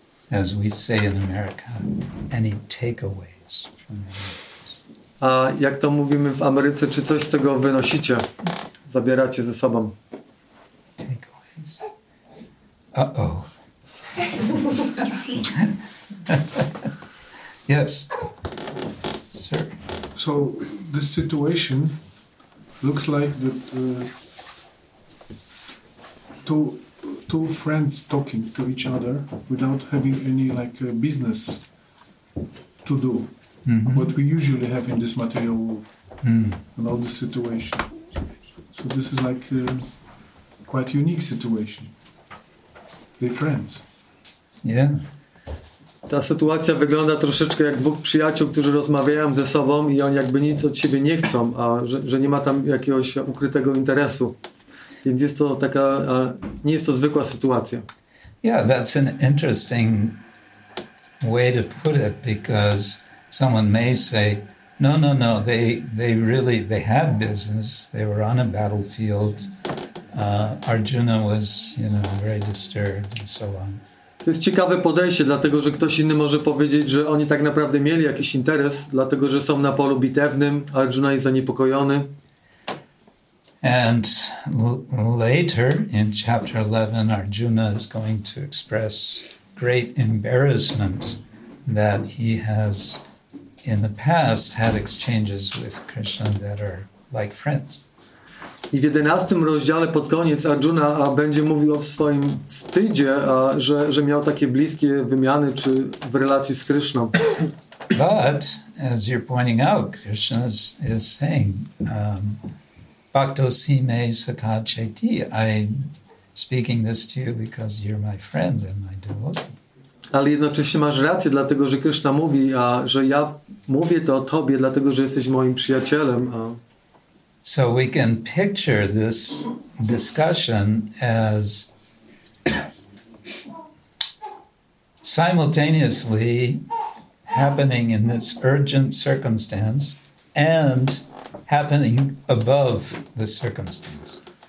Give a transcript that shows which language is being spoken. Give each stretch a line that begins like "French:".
English: As we say in America, any takeaways from the words.
Polish: A jak to mówimy w Ameryce, czy coś z tego wynosicie? Zabieracie ze sobą?
English: Takeaways. Uh-oh. Yes. Sir. So this situation looks like that two friends talking to each other without having any like business to do. Mm-hmm. What we usually have in this material world and all this situation. So this is like a quite unique situation. They're friends. Yeah.
Polish: Ta sytuacja wygląda troszeczkę jak dwóch przyjaciół, którzy rozmawiają ze sobą i oni jakby nic od siebie nie chcą, a że nie ma tam jakiegoś ukrytego interesu. Więc jest to taka, nie jest to zwykła sytuacja.
English: Yeah, that's an interesting way to put it, because someone may say, no, they really had business, they were on a battlefield, Arjuna was, you know, very disturbed and so on.
Polish: To jest ciekawe podejście, dlatego że ktoś inny może powiedzieć, że oni tak naprawdę mieli jakiś interes, dlatego że są na polu bitewnym, Arjuna jest zaniepokojony.
English: And later in chapter 11, Arjuna is going to express great embarrassment that he has in the past had exchanges with Krishna that are like friends.
Polish: I w 11 rozdziale pod koniec Arjuna będzie mówił o swoim wstydzie, że miał takie bliskie wymiany czy w relacji z Krishną.
English: But as you're pointing out, Krishna is saying,
Sanskrit: Bhakto sime sakha cheti,
English: I'm speaking this to you because you're my friend and my devotee.
Polish: Ale jednocześnie masz rację, dlatego że Krishna mówi, że ja mówię to o tobie, dlatego że jesteś moim przyjacielem.
English: So we can picture this discussion as simultaneously happening in this urgent circumstance and happening above the circumstance.